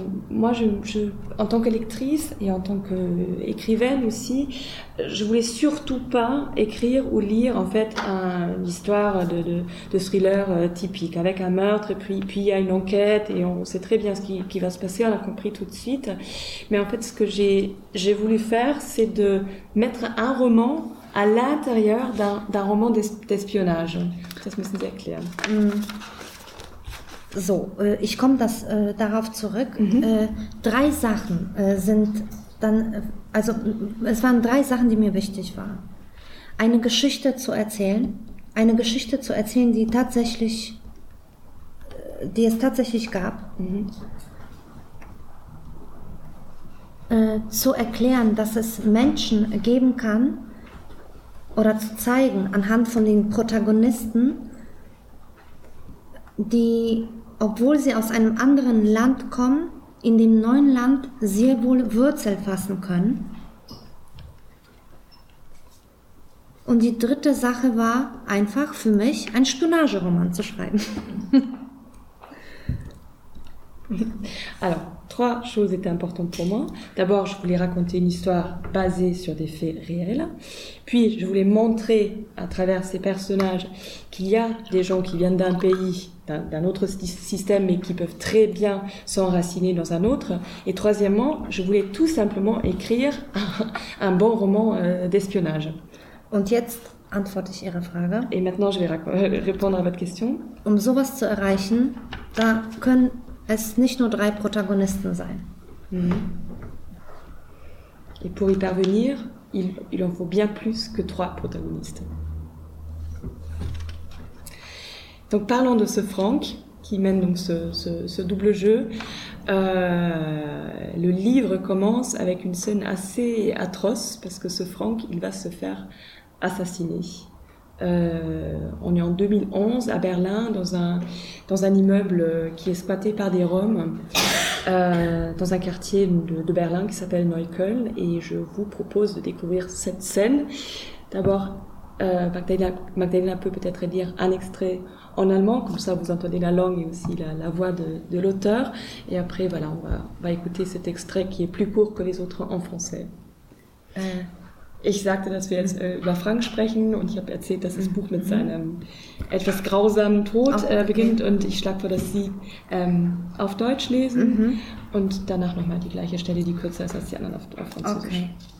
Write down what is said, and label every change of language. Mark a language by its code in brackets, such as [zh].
[fr] Moi, en tant qu'électrice et en tant qu'écrivaine aussi, je voulais surtout pas écrire ou lire en fait une histoire de thriller typique avec un meurtre et puis il y a une enquête et on sait très bien ce qui va se passer, on l'a compris tout de suite. Mais en fait, ce que j'ai voulu faire, c'est de mettre un roman à l'intérieur d'un roman d'espionnage. Ça se m'est expliqué. [de] So, ich komme darauf zurück. Drei Sachen sind dann, also es waren drei Sachen, die mir wichtig waren. Eine Geschichte zu erzählen, die es tatsächlich gab. Zu erklären, dass es Menschen geben kann, oder zu zeigen anhand von den Protagonisten, die, obwohl sie aus einem anderen Land kommen, in dem neuen Land sehr wohl Wurzel fassen können. Und die dritte Sache war einfach für mich, einen Spionageroman zu schreiben. [fr] Alors, trois choses étaient importantes pour moi. D'abord, je voulais raconter une histoire basée sur des faits réels. Puis, je voulais montrer à travers ces personnages qu'il y a des gens qui viennent d'un pays, d'un autre système, mais qui peuvent très bien s'enraciner dans un autre. Et troisièmement, je voulais tout simplement écrire un bon roman d'espionnage. [de] Und jetzt antworte ich Ihre Frage. [fr] Et maintenant, je vais répondre à votre question. [de] Um sowas zu erreichen, da können es nicht nur drei Protagonisten sein. [fr] Et pour y parvenir, il en faut bien plus que trois protagonistes. Donc parlons de ce Franck qui mène donc ce double jeu. Le livre commence avec une scène assez atroce parce que ce Franck, il va se faire assassiner. On est en 2011 à Berlin dans un immeuble qui est squatté par des Roms dans un quartier de Berlin qui s'appelle Neukölln, et je vous propose de découvrir cette scène. D'abord, Magdalena peut-être dire un extrait en allemand, comme ça vous entendez la langue et aussi la voix de l'auteur, et après voilà, on va écouter cet extrait qui est plus court que les autres en français. [de] Ich sagte, dass wir jetzt über Frank sprechen, und ich habe erzählt, dass das Buch mit seinem etwas grausamen Tod beginnt. Und ich schlage vor, dass Sie auf Deutsch lesen und danach nochmal die gleiche Stelle, die kürzer ist als die anderen, auf Französisch. Okay.